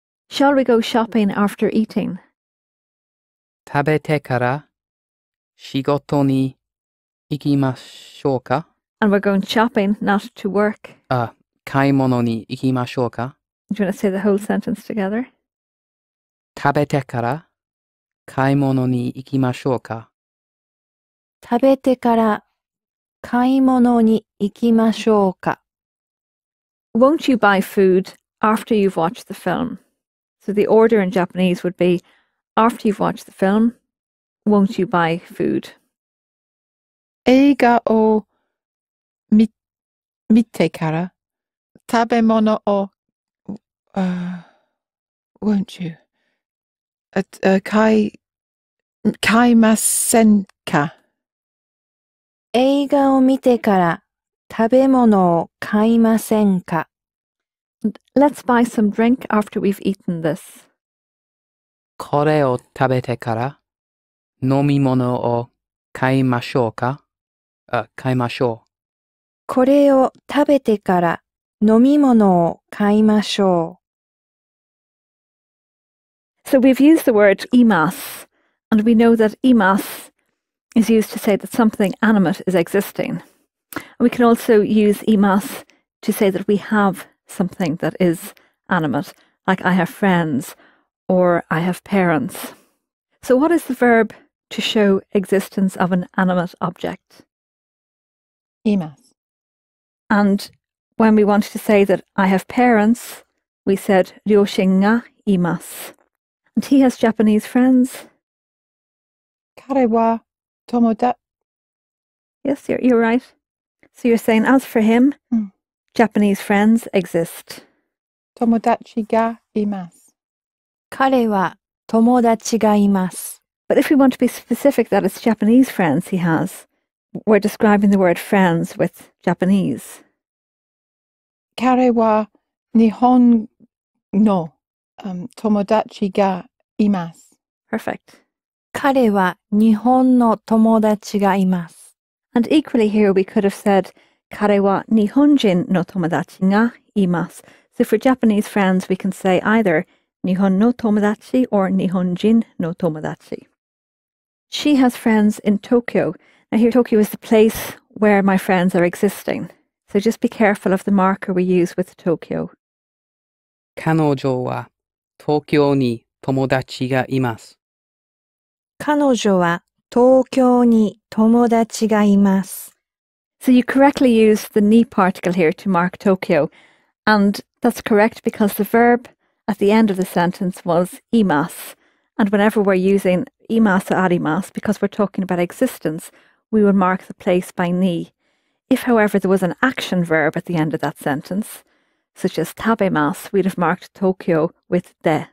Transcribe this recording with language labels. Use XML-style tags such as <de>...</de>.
<en>Shall we go shopping after eating?</en> <ja>Tabete kara shigoto ni ikimashou ka?</ja> <en>And we're going shopping, not to work.</en> <ja>Kaimono ni ikimashou ka?</ja> <en>Do you want to say the whole sentence together?</en> <ja>食べてから買い物に行きましょうか。食べてから買い物に行きましょうか。</ja> <en>Won't you buy food after you've watched the film? So the order in Japanese would be, after you've watched the film, won't you buy food?</en> <ja>映画を見てから食べ物を、</ja> <en>won't you?</en> <ja>買いませんか? 映画を見てから食べ物を買いませんか?</ja> <en>Let's buy some drink after we've eaten this.</en> <ja>これを食べてから飲み物を買いましょうか? 買いましょう。これを食べてから飲み物を買いましょう。</ja> <en>So we've used the word imas, and we know that imas is used to say that something animate is existing. We can also use imas to say that we have something that is animate, like I have friends or I have parents. So what is the verb to show existence of an animate object?</en> <ja>Imas.</ja> <en>And when we want to say that I have parents, we said</en> <ja>両親がいます。</ja> <en>And he has Japanese friends.</en> <ja>彼は友達。</ja> <en>Yes, you're right. So you're saying, as for him, Japanese friends exist.</en> <ja>友達がいます。彼は友達がいます。</ja> <en>But if we want to be specific that it's Japanese friends he has, we're describing the word friends with Japanese.</en> <ja>彼は日本の友達がいます.</ja> <en>Perfect.</en> <ja>彼は日本の友達がいます.</ja> <en>And equally here we could have said</en> <ja>彼は日本人の友達がいます.</ja> <en>So for Japanese friends we can say either</en> <ja>日本の友達</ja> <en>or</en> <ja>日本人の友達.</ja> <en>She has friends in Tokyo. Now here Tokyo is the place where my friends are existing. So just be careful of the marker we use with Tokyo.</en> <ja>彼女は東京に友達がいます。彼女は東京に友達がいます。</ja> <en>So you correctly use the ni particle here to mark Tokyo. And that's correct because the verb at the end of the sentence was imas. And whenever we're using imas or arimas, because we're talking about existence, we will mark the place by ni. If, however, there was an action verb at the end of that sentence,such as 食べます, we'd have marked Tokyo with de.</en>